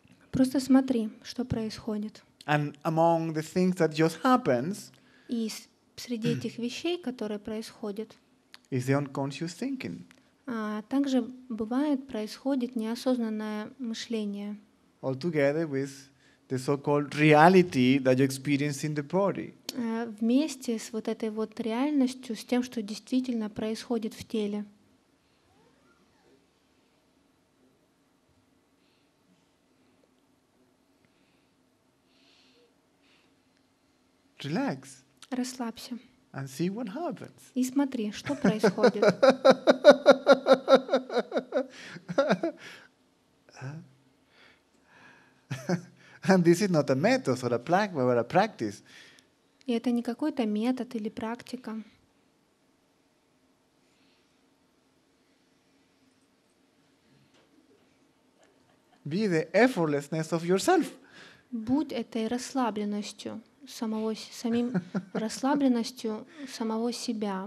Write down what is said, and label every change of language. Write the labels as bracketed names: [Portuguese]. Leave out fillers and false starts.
[Russian] Просто смотри, что происходит. [English] And among the things that just happens, [Russian] и среди этих вещей, которые происходят, [English] is the unconscious thinking. [Russian] Также бывает происходит неосознанное мышление. [English] All together with the so-called reality that you experience in the body. [Russian] Вместе с вот этой вот реальностью, с тем, что действительно происходит в теле. [English] Relax. [Russian] Расслабься. [English] And see what happens. [Russian] И смотри, что происходит. [English] And this is not a method or a practice, but a practice. [Russian] И это не какой-то метод или практика. [English] Be the effortlessness of yourself. [Russian] Будь этой расслабленностью самого, самим расслабленностью самого себя.